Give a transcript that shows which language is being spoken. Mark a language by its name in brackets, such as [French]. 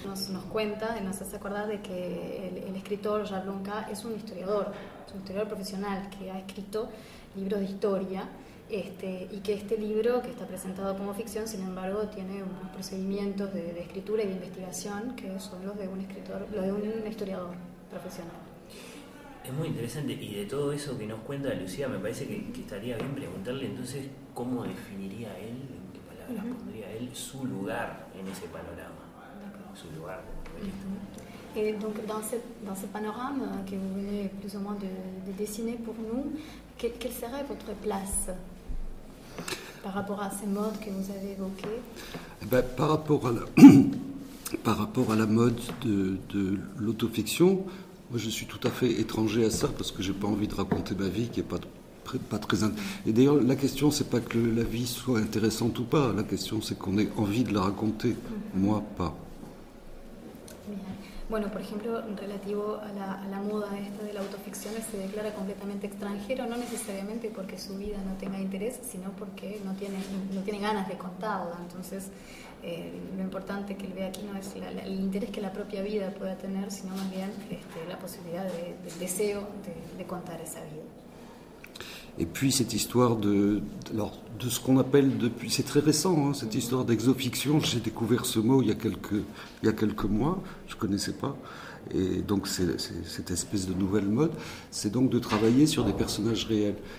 [Spanish] Nos cuenta y nos hace acordar de que el escritor Jablonka es un historiador profesional que ha escrito libros de historia, y que este libro, que está presentado como ficción, sin embargo, tiene unos procedimientos de escritura y de investigación que son los de un historiador profesional. Es muy interesante, y de todo eso que nos cuenta Lucía, me parece que estaría bien preguntarle entonces cómo definiría él, en qué palabras, uh-huh, pondría él su lugar en ese panorama. [French] Et donc dans ce panorama que vous venez plus ou moins de dessiner pour nous, quelle serait votre place par rapport à ces modes que vous avez évoqués? Eh bien, par rapport à la mode de l'autofiction, moi je suis tout à fait étranger à ça parce que j'ai pas envie de raconter ma vie qui est pas très et d'ailleurs la question c'est pas que la vie soit intéressante ou pas, la question c'est qu'on ait envie de la raconter, mm-hmm, moi pas. [Spanish] Bueno, por ejemplo, relativo a la moda esta de la autoficción, se declara completamente extranjero, no necesariamente porque su vida no tenga interés, sino porque no tiene ganas de contarla. Entonces, lo importante que él ve aquí no es el interés que la propia vida pueda tener, sino más bien la posibilidad del deseo de contar esa vida. [French] Et puis cette histoire de ce qu'on appelle depuis, c'est très récent, hein, cette histoire d'exofiction, j'ai découvert ce mot il y a quelques mois, je ne connaissais pas, et donc c'est cette espèce de nouvelle mode, c'est donc de travailler sur des personnages réels.